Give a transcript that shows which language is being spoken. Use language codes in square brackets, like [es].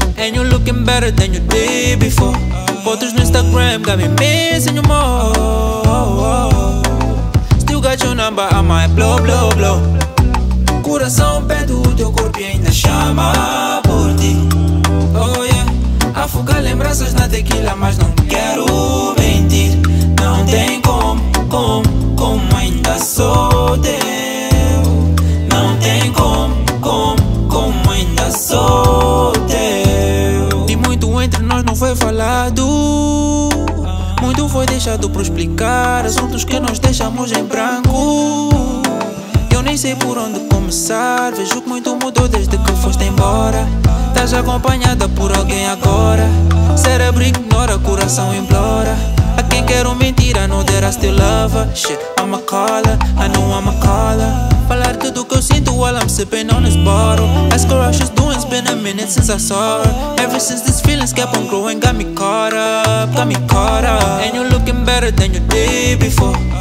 [en] And you looking better than you did before. [pt] Fotos no Instagram [en] got me missing you more. Still got your number on my blow, blow, blow. [pt] Coração pede o teu corpo e ainda chama por ti. [en] Oh yeah. [pt] Afogar lembranças na tequila, mas não quero mentir. Não tem como ainda sou teu. Não tem como ainda sou teu. E muito entre nós não foi falado. Muito foi deixado por explicar. Assuntos que nós deixamos em branco. Nem sei por onde começar. Vejo que muito mudou desde que foste embora. Estás acompanhada por alguém agora. Cérebro ignora, coração implora. A quem quero mentir, [en] I know that I still love her. Shit, I'm a caller, I know I'm a caller. [pt] Falar tudo que eu sinto [en] while I'm sipping on this bottle. Ask her how she's doing, it's been a minute since I saw her. Ever since these feelings kept on growing, got me caught up. And you're looking better than you did before.